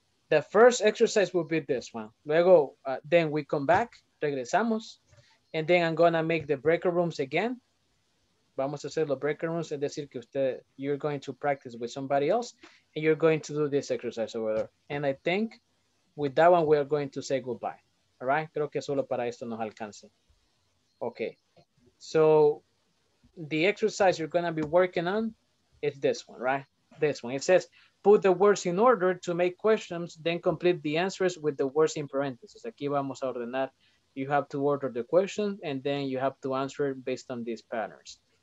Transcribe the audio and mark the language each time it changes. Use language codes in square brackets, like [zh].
[en] The first exercise will be this one. Luego, then we come back, regresamos. And then I'm going to make the breaker rooms again. [es] Vamos a hacer los breaker rooms. Es decir, que usted, [en] you're going to practice with somebody else. And you're going to do this exercise over there. And I think with that one, we are going to say goodbye. [es] All right, creo que solo para esto nos alcance. [en] Okay, so the exercise you're going to be working on is this one, right? This one. It says, put the words in order to make questions, then complete the answers with the words in parentheses. [es] Aquí vamos a ordenar. [en] You have to order the questions, and then you have to answer based on these patterns.